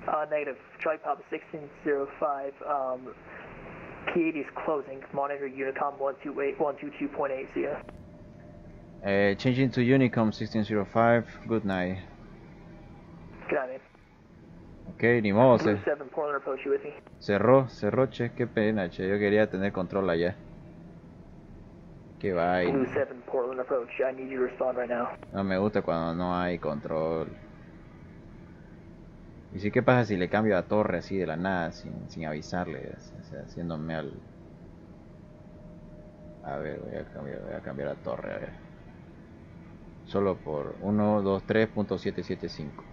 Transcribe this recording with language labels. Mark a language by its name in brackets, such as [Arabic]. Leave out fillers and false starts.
[English] Negative, Charlie Papa 1605, P8 is closing, monitor Unicom 122.8, see ya. Changing to Unicom 1605, good night. Got it. [Spanish] Ok, ni modo, [English] se... 7, Portland, approach, you with me? [Spanish] Cerró, che, qué pena, che, yo quería tener control allá. Qué vaina. [English] Blue 7, Portland, approach, I need you to respond right now. [Spanish] No me gusta cuando no hay control. Y si, qué pasa si le cambio a torre así de la nada, sin avisarle, o sea, haciéndome al... A ver, voy a cambiar a torre, a ver. Solo por 123.775.